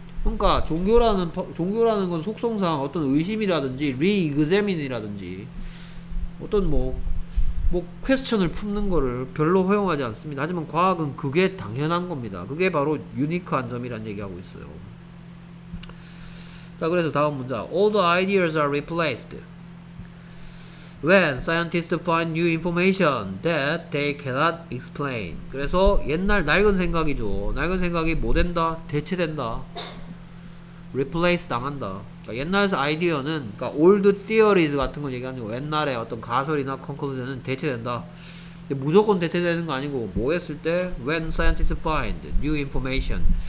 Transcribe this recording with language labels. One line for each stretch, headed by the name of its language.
Korean: 그러니까 종교라는 건 속성상 어떤 의심이라든지 리그제민이라든지 어떤 뭐 퀘스천을 품는 거를 별로 허용하지 않습니다. 하지만 과학은 그게 당연한 겁니다. 그게 바로 유니크한 점이란 얘기하고 있어요. 자, 그래서 다음 문장.
English: All the ideas are replaced when scientists find new information that they cannot explain.
Korean: 그래서 옛날 낡은 생각이죠. 낡은 생각이 뭐 된다? 대체된다. Replace 당한다. 옛날 아이디어는, 그러니까 old theories 같은 걸 얘기하는 거, 옛날에 어떤 가설이나 conclusion은 대체된다. 근데 무조건 대체되는 거 아니고, 뭐 했을 때,
English: when scientists find new information.